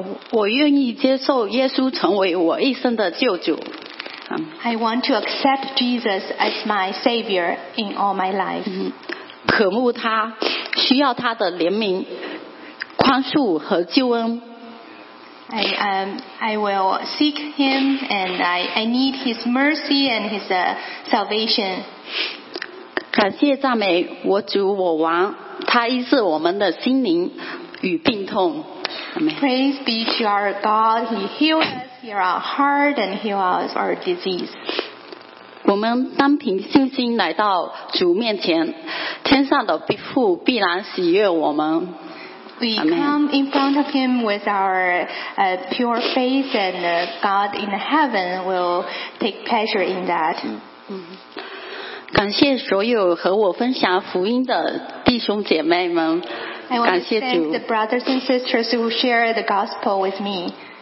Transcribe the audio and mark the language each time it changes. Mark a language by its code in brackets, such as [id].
[zh] 我愿意接受耶稣成为我一生的救主。 [en] I want to accept Jesus as my Savior in all my life. [zh] 渴慕他，需要他的怜悯、宽恕和救恩。 [en] I will seek him and I need his mercy and his salvation. [zh] 感谢赞美我主我王，他医治我们的心灵与病痛。 [en] Praise be to our God. He healed us, healed our heart, and healed our disease. [zh] 我们当凭信心来到主面前，天上的父必然喜悦我们。 [en] We come in front of him with our pure faith, and God in heaven will take pleasure in that. [zh] 感谢所有和我分享福音的弟兄姐妹们。 [en] I want to thank the brothers and sisters who share the gospel with me.